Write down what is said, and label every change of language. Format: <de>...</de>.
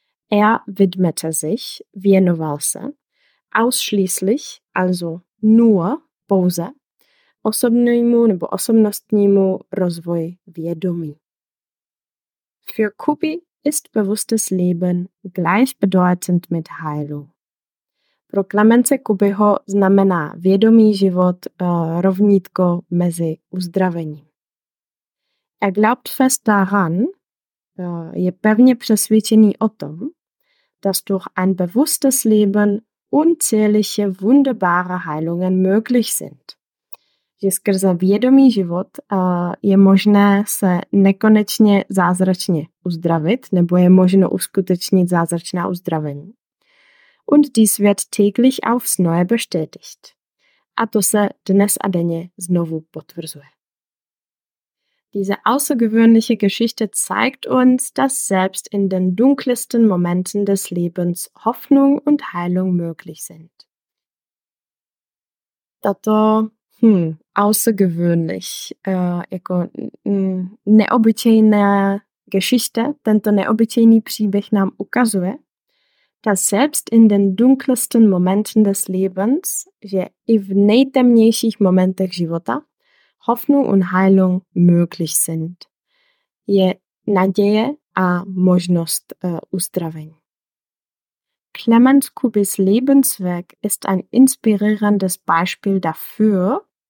<de>Er widmete sich,</de> <cs>věnoval se, ausschließlich,</cs> <de>also nur,</de> <cs>pouze, osobnímu nebo osobnostnímu rozvoji vědomí.</cs> <de>Für Kubi ist bewusstes Leben gleichbedeutend mit Heilung.</de> <cs>Pro Klemence Kubyho znamená vědomý život rovnítko mezi uzdravením.</cs> <de>Er glaubt fest daran,</de> <cs>je pevně přesvědčený o tom,</cs> <de>dass durch ein bewusstes Leben unzählige wunderbare Heilungen möglich sind.</de> <cs>Že skrze vědomý život je možné se nekonečně zázračně uzdravit, nebo je možno uskutečnit zázračná uzdravení.</cs> <de>Und dies wird täglich aufs Neue bestätigt.</de> <cs>A to se dnes a denně znovu potvrzuje.</cs> <de>Diese außergewöhnliche Geschichte zeigt uns, dass selbst in den dunkelsten Momenten des Lebens Hoffnung und Heilung möglich sind. Tato außergewöhnlich, jako neobyčejná Geschichte,</de> <cs>tento neobyčejný příběh nám ukazuje,</cs> <de>dass selbst in den dunkelsten Momenten des Lebens,</de> <cs>že i v nejtemnějších momentech života,</cs> <de>Hoffnung und Heilung möglich sind.</de> <cs>Je naděje a možnost uzdravení.</cs> <de>Klemens Kubys Lebenswerk ist ein inspirierendes Beispiel dafür.</de>